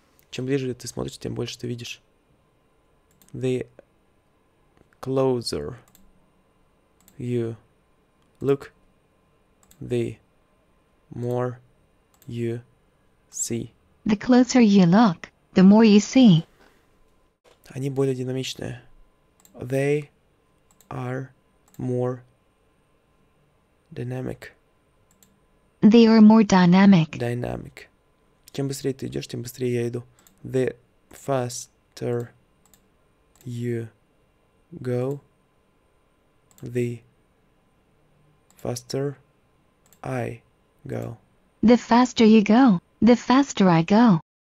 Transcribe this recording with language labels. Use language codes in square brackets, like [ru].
[ru] Чем ближе ты смотришь, тем больше ты видишь. [en] The closer you look, the more you see. The closer you look, the more you see. [ru] Они более динамичные. [en] They are more dynamic. They are more dynamic. Dynamic. [ru] Чем быстрее ты идешь, тем быстрее я иду. [en] The faster you go, the faster I go. The faster you go, the faster I go.